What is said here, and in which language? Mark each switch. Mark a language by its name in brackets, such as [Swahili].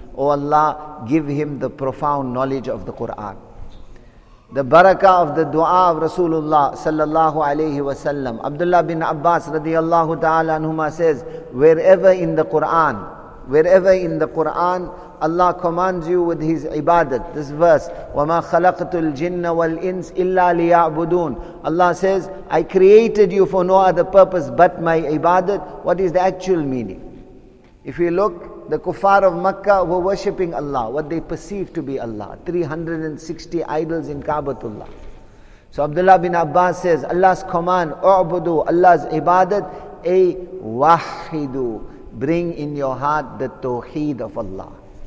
[English] O Allah, give him the profound knowledge of the Quran. The barakah of the dua of Rasulullah sallallahu alayhi wasallam. Abdullah bin Abbas radiyallahu ta'ala anhuma says, wherever in the Quran, Allah commands you with his ibadat. [Arabic] This verse, وَمَا خَلَقْتُ الْجِنَّ وَالْإِنسِ إِلَّا لِيَعْبُدُونَ. [English] Allah says, I created you for no other purpose but my ibadat. What is the actual meaning? If you look, the kuffar of Makkah were worshipping Allah, what they perceived to be Allah. 360 idols in Kaabatullah. So Abdullah bin Abbas says, Allah's command, اُعْبُدُوا, Allah's ibadat, أي وَحِّدُوا, bring in your heart the tawheed of Allah.